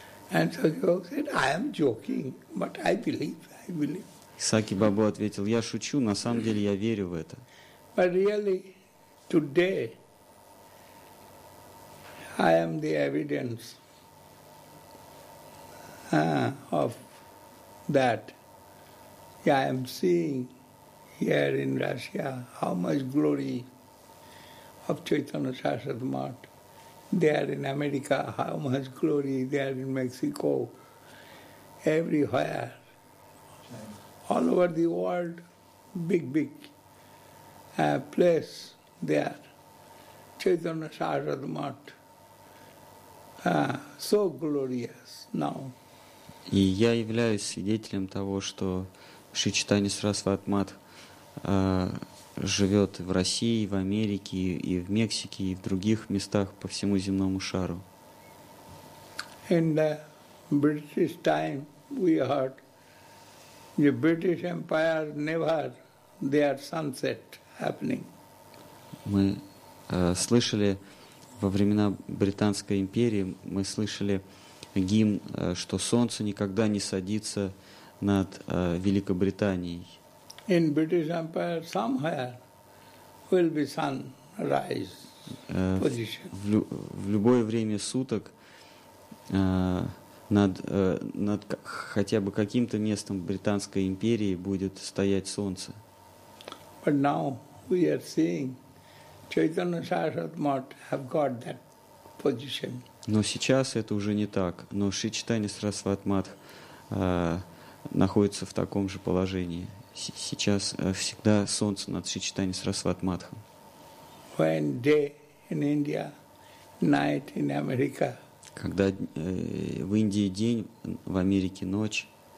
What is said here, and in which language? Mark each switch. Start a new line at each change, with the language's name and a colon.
English: And Saki Babu said, I am joking, but I believe.
Russian: Саки Бабу ответил, я шучу, на самом деле я верю в это.
English: But really, today, I am the evidence of that. Yeah, I am seeing here in Russia, how much glory of Chaitanya Sarasvati Matha. There in America, how much glory there in Mexico, everywhere, all over the world, big place there, Chaitanya Sarasvati Matha, so glorious now.
Russian: И я являюсь свидетелем того, что Шри Чайтанья Сарасвати Матха живет в России, в Америке, и в Мексике, и в других местах по всему земному шару.
English: In the British time, we heard the British Empire never their sunset happening.
Russian: Мы слышали во времена Британской империи, мы слышали гимн, что солнце никогда не садится над Великобританией.
English: In British Empire, somewhere will be sunrise position.
Russian: В любое время суток над хотя бы каким-то местом Британской империи будет стоять солнце.
English: But now we are seeing Chaitanya Sarasvati Matha have got that position.
Russian: Но сейчас это уже не так. Но Шри Чайтанья Сарасвати Матха находится в таком же положении. Сейчас всегда солнце над Шри Чайтанья Сарасвати Матхой.
English: When day in India, night in America.
Russian: Когда в Индии день, в Америке ночь.